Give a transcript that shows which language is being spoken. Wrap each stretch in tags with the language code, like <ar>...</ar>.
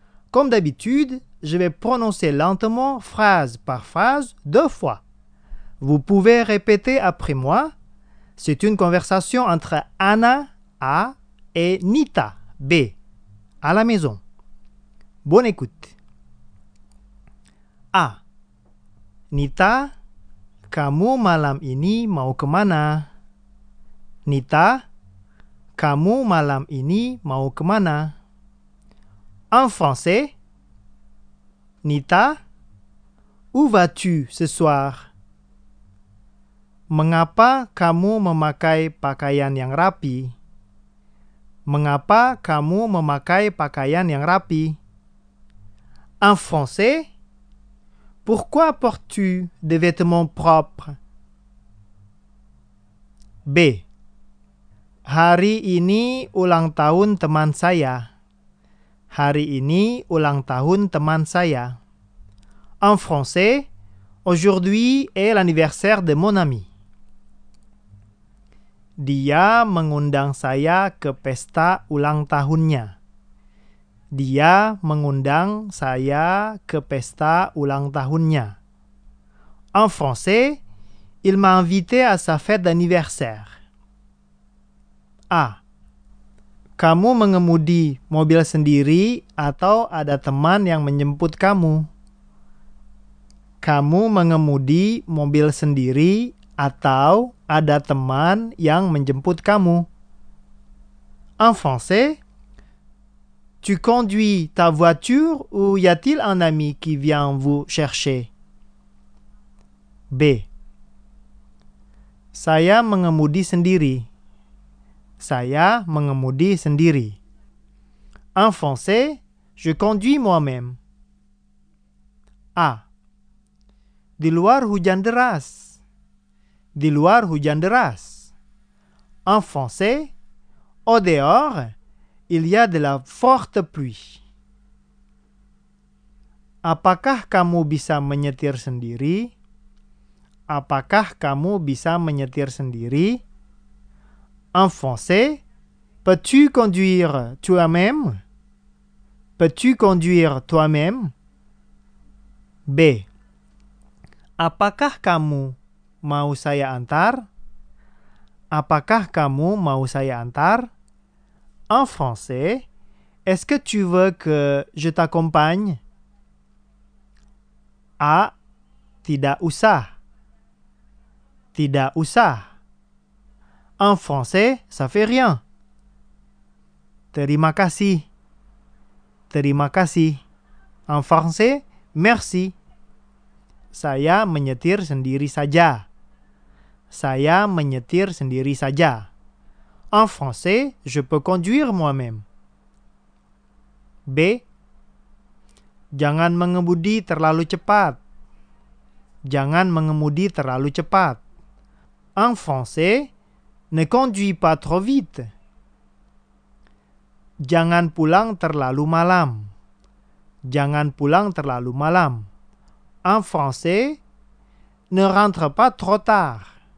<fr>Comme d'habitude, je vais prononcer lentement phrase par phrase deux fois. Vous pouvez répéter après moi. C'est une conversation entre Anna A et Nita B à la maison. Bonne écoute. A.</fr> <id>Nita, kamu malam ini mau kemana? Nita, kamu malam ini mau kemana?</id> <fr>En français, Nita, où vas-tu ce soir?</fr> <id>Mengapa kamu memakai pakaian yang rapi? Mengapa kamu memakai pakaian yang rapi?</id> <fr>En français, pourquoi portes-tu des vêtements propres? B.</fr> <id>Hari ini ulang tahun teman saya. Hari ini ulang tahun teman saya.</id> <fr>En français, aujourd'hui est l'anniversaire de mon ami.</fr> <id>Dia mengundang saya ke pesta ulang tahunnya. Dia mengundang saya ke pesta ulang tahunnya.</id> <fr>En français, il m'a invité à sa fête d'anniversaire. A.</fr> <id>Kamu mengemudi mobil sendiri atau ada teman yang menjemput kamu? Kamu mengemudi mobil sendiri atau ada teman yang menjemput kamu?</id> <fr>En français, tu conduis ta voiture ou y a-t-il un ami qui vient vous chercher? B.</fr> <id>Saya mengemudi sendiri. Saya mengemudi sendiri.</id> <fr>En français, je conduis moi-même. A.</fr> <id>Di luar hujan deras. Di luar hujan deras.</id> <fr>En français, au dehors, il y a de la forte pluie.</fr> <id>Apakah kamu bisa menyetir sendiri? Apakah kamu bisa menyetir sendiri?</id> <fr>En français, peux-tu conduire toi-même? Peux-tu conduire toi-même? B.</fr> <id>Apakah kamu mau saya antar? Apakah kamu mau saya antar?</id> <fr>En français, est-ce que tu veux que je t'accompagne?</fr> <id>A. Tidak usah. Tidak usah.</id> <fr>En français, ça fait rien.</fr> <id>Terima kasih. Terima kasih.</id> <fr>En français, merci.</fr> <id>Saya menyetir sendiri saja. Saya menyetir sendiri saja.</id> <fr>En français, je peux conduire moi-même. B.</fr> <id>Jangan mengemudi terlalu cepat. Jangan mengemudi terlalu cepat.</id> <fr>En français, ne conduis pas trop vite.</fr> <id>Jangan pulang terlalu malam. Jangan pulang terlalu malam.</id> <fr>En français, ne rentre pas trop tard.</fr>